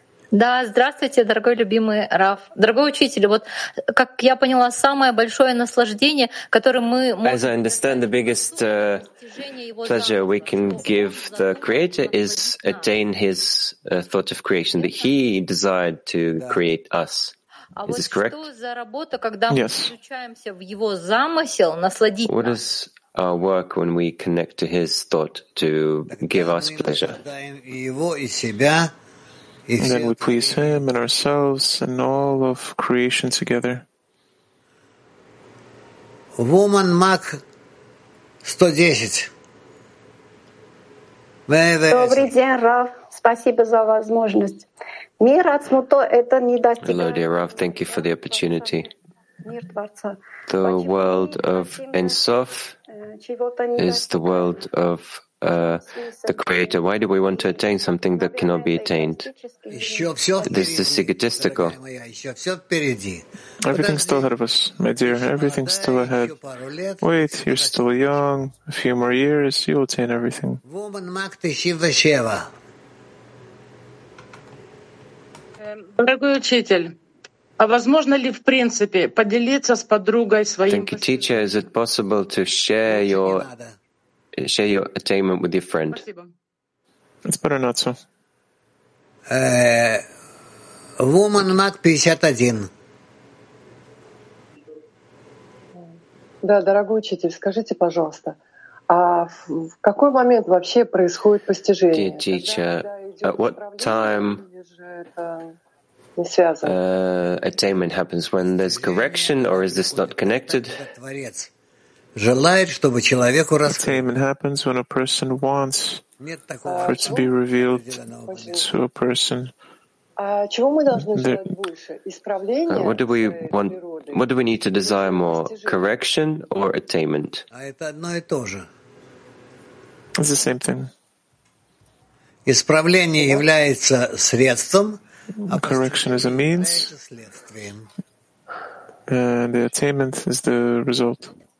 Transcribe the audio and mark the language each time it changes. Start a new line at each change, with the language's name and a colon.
Russian: Да, здравствуйте, дорогой любимый Раф. Дорогой учитель, вот как я поняла, самое большое наслаждение, которое мы можем...
English: As I understand, the biggest pleasure we can give the Creator is attain His thought of creation, that He desired to create us. Is this correct? Yes. What is our work when we connect to His thought to give us pleasure? And then we please Him and ourselves and all of creation together. Woman Mac 110.
Russian: Добрый день, Рав. Спасибо за возможность. Мир от смуто это не достигает.
English: Hello, dear Rav. Thank you for the opportunity. The world of Ein Sof is the world of the Creator. Why do we want to attain something that cannot be attained? This is egotistical. Everything's still ahead of us, my dear. Everything's still ahead. Wait, you're still young. A few more years, you'll attain everything. Woman Mac 97.
Russian: Дорогой учитель, а возможно ли в принципе поделиться с подругой своим?
English: Thank you, teacher. Is it possible to share your attainment with your friend?
Russian: Спасибо.
English: It's better not so. Woman Mac 51.
Russian: Да, дорогой учитель, скажите, пожалуйста, а в какой момент вообще происходит постижение?
English: Dear teacher, at what time attainment happens when there's correction, or is this not connected? Attainment happens when a person wants for it to be revealed to a person. What do we need to desire more, correction or attainment? It's the same thing.
Russian: Исправление является средством,
English: а correction is a means, and the attainment is the result.